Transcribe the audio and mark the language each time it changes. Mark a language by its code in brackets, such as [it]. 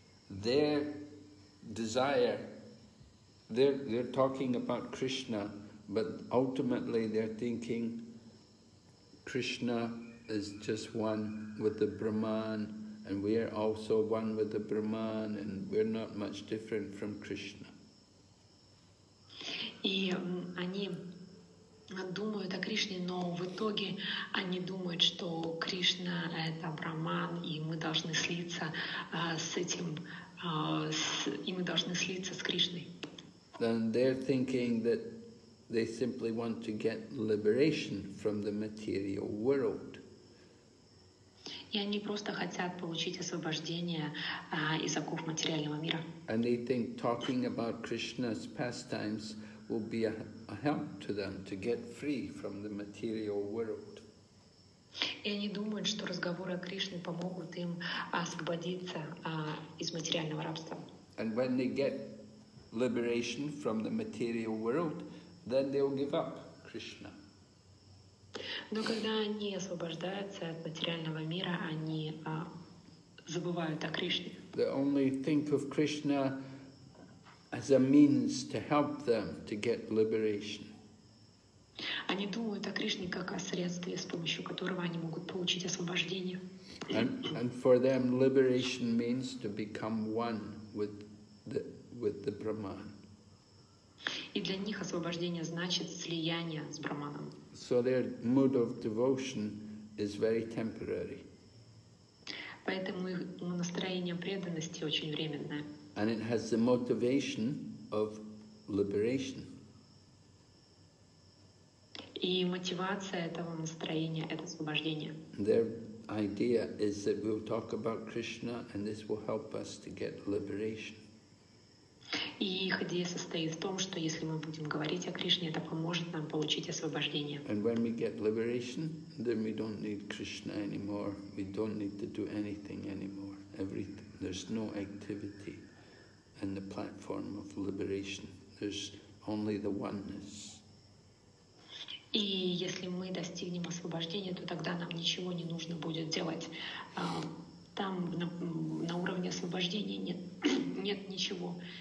[en] Their desire, they're talking about Krishna, but ultimately they're thinking Krishna is just one with the Brahman, and we are also one with the Brahman, and we're not much different from Krishna. [ru] И они думают о Кришне, но в итоге они думают, что Кришна это Брахман, и мы должны слиться с этим, и мы должны слиться с Кришной. [en] Then they're thinking that they simply want to get liberation from the material world. [ru] И они просто хотят получить освобождение из оков материального мира. [en] And they think talking about Krishna's pastimes will be a help to them to get free from the material world. [ru] И они думают, что разговоры о Кришне помогут им освободиться из материального рабства. [en] And when they get liberation from the material world, then they'll give up Krishna. [ru] Но когда они освобождаются от материального мира, они забывают о Кришне. [en] They only think of Krishna as a means to help them to get liberation. [ru] Они думают о Кришне как о средстве, с помощью которого они могут получить освобождение. [en] And for them, liberation means to become one with the Brahman. [ru] И для них освобождение значит слияние с Брахманом. [en] So their mood of devotion is very temporary. [ru] Поэтому их настроение преданности очень временное. [en] And it has the motivation of liberation. [ru] И мотивация этого настроения – это освобождение. [en] Their idea is that we'll talk about Krishna and this will help us to get liberation. [ru] И их идея состоит в том, что если мы будем говорить о Кришне, это поможет нам получить освобождение. [en] And when we get liberation, then we don't need Krishna anymore. We don't need to do anything anymore. Everything. There's no activity in the platform of liberation. There's only the oneness. [ru] И если мы достигнем освобождения, то тогда нам ничего не нужно будет делать. Там на уровне освобождения нет ничего.